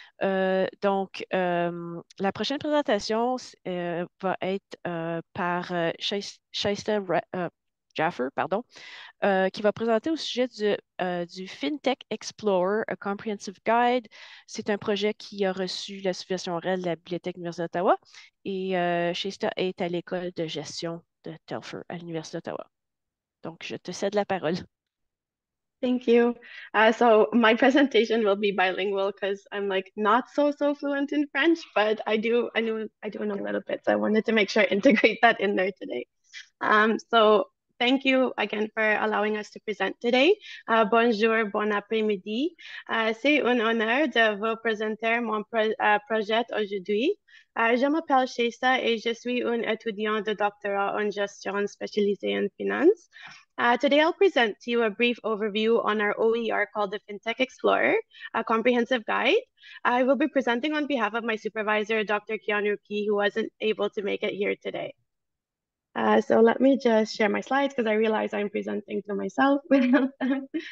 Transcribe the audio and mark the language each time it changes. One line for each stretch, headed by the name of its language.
French: La prochaine présentation va être par Shaysta Jaffer, pardon, qui va présenter au sujet du FinTech Explorer, A Comprehensive Guide. C'est un projet qui a reçu la subvention orale de la Bibliothèque de l'Université d'Ottawa et Shaysta est à l'école de gestion de Telfer à l'Université d'Ottawa. Donc, je te cède la parole.
English: Thank you. So my presentation will be bilingual because I'm like not so fluent in French, but I do know a little bit. So I wanted to make sure I integrate that in there today. So thank you again for allowing us to present today.
French: Bonjour, bon après-midi. C'est un honneur de vous présenter mon projet aujourd'hui. Je m'appelle Shaysta et je suis une étudiante de doctorat en gestion spécialisée en finance.
English: Today, I'll present to you a brief overview on our OER called the FinTech Explorer, a comprehensive guide. I will be presenting on behalf of my supervisor, Dr. Keanu Key, who wasn't able to make it here today. So let me just share my slides because I realize I'm presenting to myself without them.